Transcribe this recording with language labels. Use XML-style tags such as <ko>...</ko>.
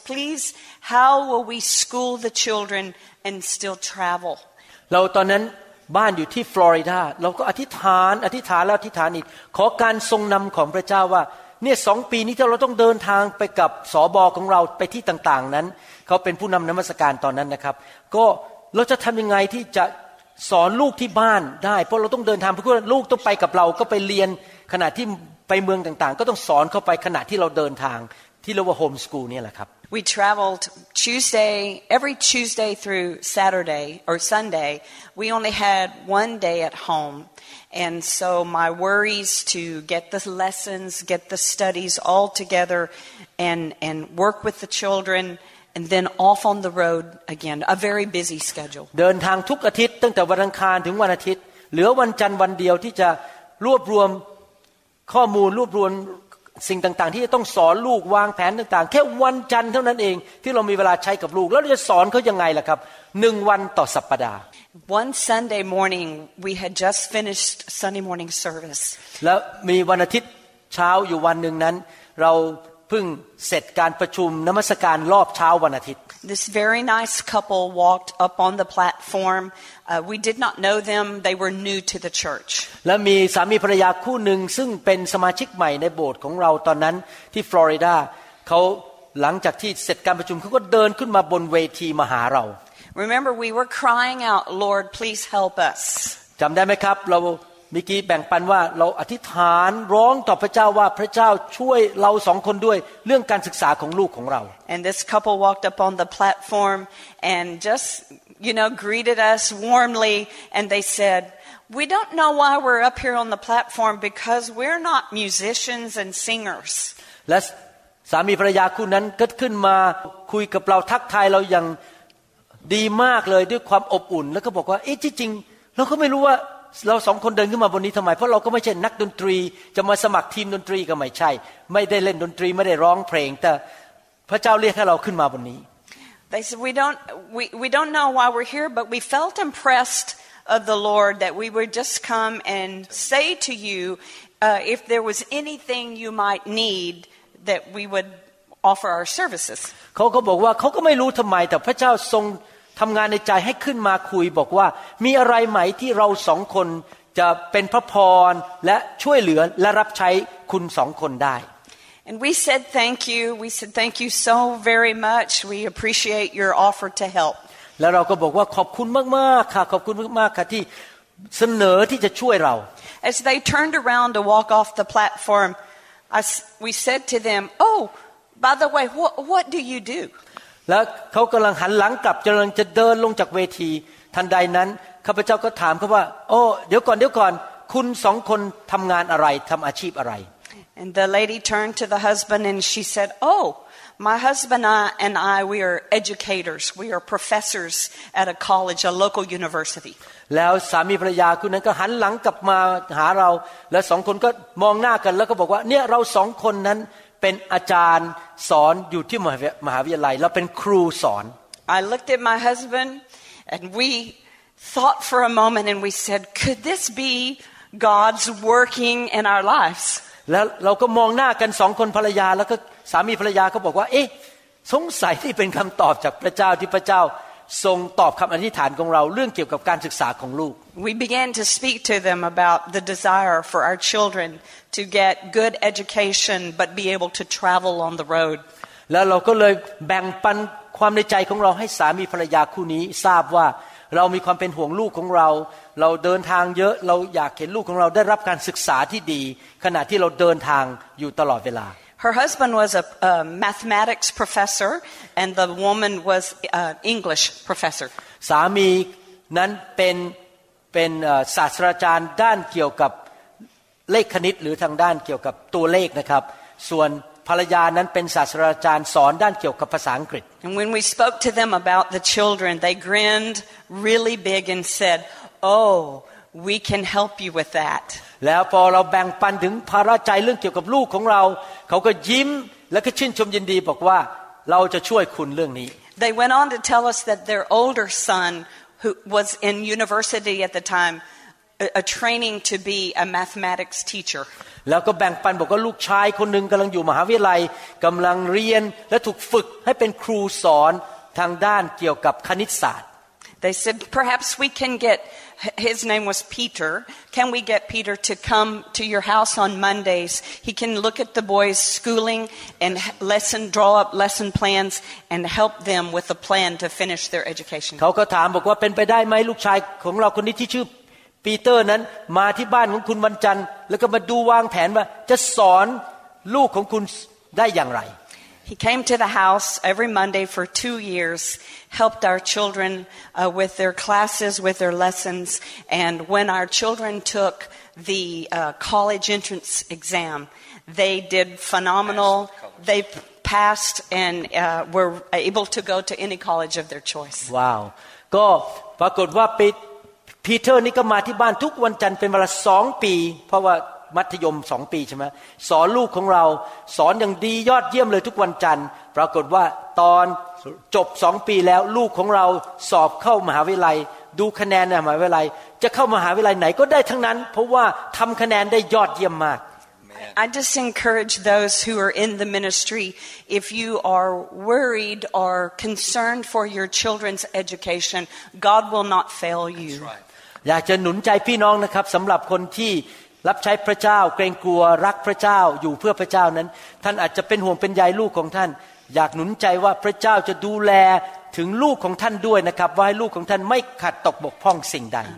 <en>Please, how will we school the children and still travel?</en> <th>เราตอนนั้นบ้านอยู่ที่ฟลอริดาเราก็อธิษฐานแล้วอธิษฐานอีกขอการทรงนำของพระเจ้าว่าเนี่ย2ปีนี้ที่เราต้องเดินทางไปกับสบของเราไปที่ต่างๆนั้นเขาเป็นผู้นำนมัสการตอนนั้นนะครับก็เราจะทำยังไงที่จะสอนลูกที่บ้านได้เพราะเราต้องเดินทางเพื่อลูกต้องไปกับเราก็ไปเรียนขณะที่ไปเมืองต่างๆก็ต้องสอนเข้าไปขณะที่เราเดินทางที่เรียกว่าโฮมสคูลเนี่ยแหละครับ</th> <en>We traveled Tuesday every Tuesday through Saturday or Sunday we only had one day at homeAnd so my worries to get the lessons, get the studies all together and work with the children and then off on the road again, a very busy schedule.</en> <th>เดินทางทุกอาทิตย์ตั้งแต่วันอังคารถึงวันอาทิตย์เหลือวันจันทร์วันเดียวที่จะรวบรวมข้อมูลรวบรวมสิ่งต่างๆที่จะต้องสอนลูกวางแผนต่างๆแค่วันจันทร์เท่านั้นเองที่เรามีเวลาใช้กับลูกแล้วเราจะสอนเขายังไงล่ะครับ1วันต่อสัปดาห์</th> <en>One Sunday morning, we had just finished Sunday morning service.</en> <th>แล้วมีวันอาทิตย์เช้าอยู่วันหนึ่งนั้นเราเพิ่งเสร็จการประชุมนมัสการรอบเช้าวันอาทิตย์</th> <en>This very nice couple walked up on the platform. We did not know them. They were new to the church.</en> <th>และมีสามีภรรยาคู่หนึ่งซึ่งเป็นสมาชิกใหม่ในโบสถ์ของเราตอนนั้นที่ฟลอริดาเขาหลังจากที่เสร็จการประชุมเขาก็เดินขึ้นมาบนเวทีมาหาเรา</th> <en>Remember, we were crying out, Lord, please help us.</en> <th>จำได้ไหมครับเรามิกี้แบ่งปันว่าเราอธิษฐานร้องต่อพระเจ้าว่าพระเจ้าช่วยเราสองคนด้วยเรื่องการศึกษาของลูกของเรา</th> <en>And this couple walked up on the platform and just, you know, greeted us warmly and they said, we don't know why we're up here on the platform because we're not musicians and singers.</en> <th>และสามีภรรยาคู่นั้นก็ขึ้นมาคุยกับเราทักทายเราอย่างดีมากเลยด้วยความอบอุ่นแล้วก็บอกว่าเอ๊ะจริงๆเราก็ไม่รู้ว่าเราสองคนเดินขึ้นมาบนนี้ทำไมเพราะเราก็ไม่ใช่นักดนตรีจะมาสมัครทีมดนตรีก็ไม่ใช่ไม่ได้เล่นดนตรีไม่ได้ร้องเพลงแต่พระเจ้าเรียกให้เราขึ้นมาบนนี้</th> <en>They said we don't know why we're here but we felt impressed of the Lord that we would just come and say to you if there was anything you might need that we would offer our services</en> <th>เขาก็บอกว่าเขาก็ไม่รู้ทำไมแต่พระเจ้าทรงทำงานในใจให้ขึ้นมาคุยบอกว่ามีอะไรไหมที่เราสองคนจะเป็นพระพรและช่วยเหลือและรับใช้คุณสองคนได้</th> <en>And we said thank you. We said thank you so very much. We appreciate your offer to help.</en> <th>แล้วเราก็บอกว่าขอบคุณมากๆค่ะขอบคุณมากๆค่ะที่เสนอที่จะช่วยเรา</th> <en>As they turned around to walk off the platform, we said to them, "Oh, by the way, what do you do?"</en> <th>แล้วเขากำลังหันหลังกลับกำลังจะเดินลงจากเวทีทันใดนั้นข้าพเจ้าก็ถามเขาว่าโอ้เดี๋ยวก่อนคุณสองคนทำงานอะไรทำอาชีพอะไร</th> <en>And the lady turned to the husband and she said, "Oh, my husband and I, we are educators. We are professors at a college, a local university."</en> <th>แล้วสามีภรรยาคู่นั้นก็หันหลังกลับมาหาเราและสองคนก็มองหน้ากันแล้วก็บอกว่าเนี่ยเราสองคนนั้นเป็นอาจารย์สอนอยู่ที่มหาวิทยาลัยแล้วเป็นครูสอน</th> <en>I looked at my husband and we thought for a moment and we said could this be God's working in our lives</en> <th>แล้วเราก็มองหน้ากัน2คนภรรยาแล้วก็สามีภรรยาก็บอกว่าเอ๊ะสงสัยที่เป็นคำตอบจากพระเจ้าที่พระเจ้าทรงตอบคำอธิษฐานของเราเรื่องเกี่ยวกับการศึกษาของลูก</th> <en>We began to speak to them about the desire for our children to get good education but be able to travel on the road</en> <th>แล้วเราก็เลยแบ่งปันความในใจของเราให้สามีภรรยาคู่นี้ทราบว่าเรามีความเป็นห่วงลูกของเราเราเดินทางเยอะเราอยากเห็นลูกของเราได้รับการศึกษาที่ดีขณะที่เราเดินทางอยู่ตลอดเวลา</th> <en>Her husband was a mathematics professor, and the woman was an English professor.</en> <th>สามีนั้นเป็นศาสตราจารย์ด้านเกี่ยวกับเลขคณิตหรือทางด้านเกี่ยวกับตัวเลขนะครับส่วนภรรยานั้นเป็นศาสตราจารย์สอนด้านเกี่ยวกับภาษาอังกฤษ</th> <en>And when we spoke to them about the children, they grinned really big and said, "Oh, we can help you with that."</en> <th>แล้วพอเราแบ่งปันถึงภาระใจเรื่องเกี่ยวกับลูกของเราเขาก็ยิ้มแล้วก็ชื่นชมยินดีบอกว่าเราจะช่วยคุณเรื่องนี้</th> <en>They went on to tell us that their older son who was in university at the time a training to be a mathematics teacher</en> <th>แล้วก็แบ่งปันบอกว่าลูกชายคนนึงกำลังอยู่มหาวิทยาลัยกำลังเรียนและถูกฝึกให้เป็นครูสอนทางด้านเกี่ยวกับคณิตศาสตร์</th> <en>They said perhaps we can getHis name was Peter. Can we get Peter to come to your house on Mondays? He can look at the boys' schooling and lesson, draw up lesson plans and help them with a plan to finish their education.</en> <th>เขาก็ถามบอกว่าเป็นไปได้ไหมลูกชายของเราคนนี้ที่ชื่อปีเตอร์นั้นมาที่บ้านของคุณวันจันทร์แล้วก็มาดูวางแผนว่าจะสอนลูกของคุณได้อย่างไร</th> <en>He came to the house every Monday for 2 years. Helped our children with their classes, with their lessons, and when our children took the college entrance exam, they did phenomenal. They passed and were able to go to any college of their choice. Wow!</en> <th>ก็ปรากฏว่าปีเตอร์นี่ก็มาที่บ้านทุกวันจันทร์เป็นเวลา2 ปีเพราะว่ามัธยม2 ปีใช่ไหมสอนลูกของเราสอนอย่างดียอดเยี่ยมเลยทุกวันจันทร์ปรากฏว่าตอนจบ2 ปีแล้วลูกของเราสอบเข้ามหาวิทยาลัย ดูคะแนนในมหาวิทยาลัยจะเข้ามหาวิทยาลัยไหนก็ได้ทั้งนั้นเพราะว่าทำคะแนนได้ยอดเยี่ยมมาก</th> <en>I just encourage those who are in the ministry, if you are worried or concerned for your children's education, God will not fail you. That's right.</en> <th>อยากจะหนุนใจพี่น้องนะครับสำหรับคนที่รับใช้พระเจ้าเกรงกลัวรักพระเจ้าอยู่เพื่อพระเจ้านั้นท่านอาจจะเป็นห่วงเป็นใยลูกของท่านอยากหนุนใจว่าพระเจ้าจะดูแลถึงลูกของท่านด้วยนะครับว่าให้ลูกของท่านไม่ขัดตกบกพร่องสิ่งใด</th>